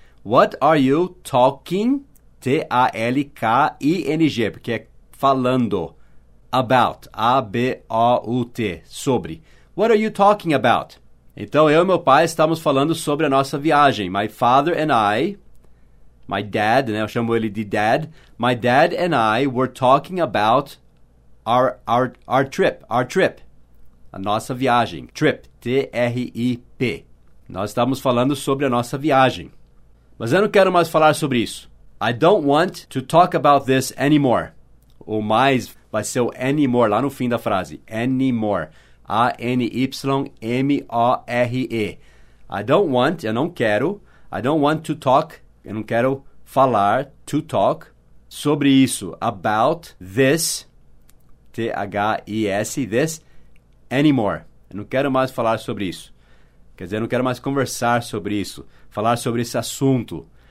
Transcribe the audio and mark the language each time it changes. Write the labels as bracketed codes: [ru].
[en] What are you talking, T-A-L-K-I-N-G, [pt] porque é falando, [en] about, A-B-O-U-T, sobre. What are you talking about? [pt] Então, eu e meu pai estamos falando sobre a nossa viagem. [en] My father and I, my dad, [pt] né? Eu chamo ele de [en] dad. My dad and I were talking about our trip, [pt] a nossa viagem, [en] trip, T-R-I-P. [pt] Nós estamos falando sobre a nossa viagem. Mas eu não quero mais falar sobre isso. [en] I don't want to talk about this anymore. [pt] O mais vai ser o anymore, lá no fim da frase. [en] Anymore. A-N-Y-M-O-R-E. I don't want, [pt] eu não quero. [en] I don't want to talk, [pt] eu não quero falar, [en] to talk, [pt] sobre isso. [en] About this, T-H-I-S, this, anymore. [pt] Eu não quero mais falar sobre isso. Quer dizer, eu não quero mais conversar sobre isso, falar sobre esse assunto.